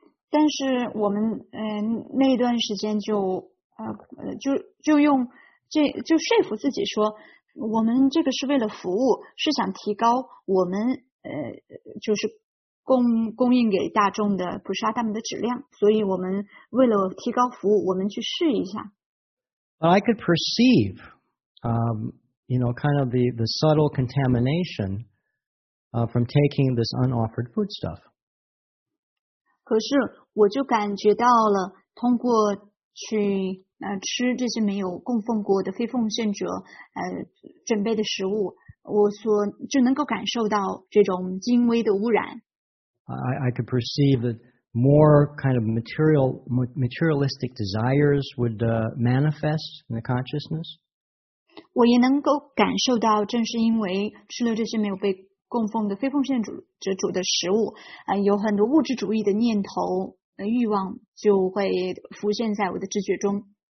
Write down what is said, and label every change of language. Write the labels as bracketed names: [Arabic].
[Chinese] 但是我们那段时间就说服自己说我们这个是为了服务是想提高我们就是供应给大众的普沙达姆的质量，所以我们为了提高服务，我们去试一下。 [English] But I could perceive, you know, kind of the subtle contamination, from taking this unoffered foodstuff. [Chinese] 可是我就感觉到了，通过去吃这些没有供奉过的非奉献者准备的食物，我所就能够感受到这种精微的污染。 [English] I could perceive that more kind of materialistic desires would manifest in the consciousness. [Chinese] 我也能够感受到，正是因为吃了这些没有被供奉的非奉献者煮的食物，有很多物质主义的念头、欲望就会浮现在我的知觉中。